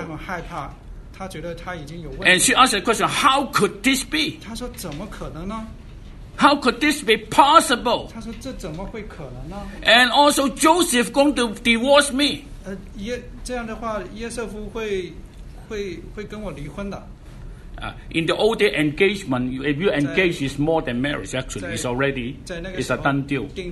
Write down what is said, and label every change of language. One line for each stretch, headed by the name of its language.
Chinese: 她很害怕, 她觉得她已经有问题。
English: And she asked a question, how could this be?
Chinese: 她说怎么可能呢?
English: How could this be possible?
Chinese: 他说这怎么会可能呢?
English: And also Joseph going to divorce me.
Chinese: 这样的话, 耶瑟夫会跟我离婚的。
English: In the old day engagement, if you engage, it's more than marriage actually. It's already, it's a done deal.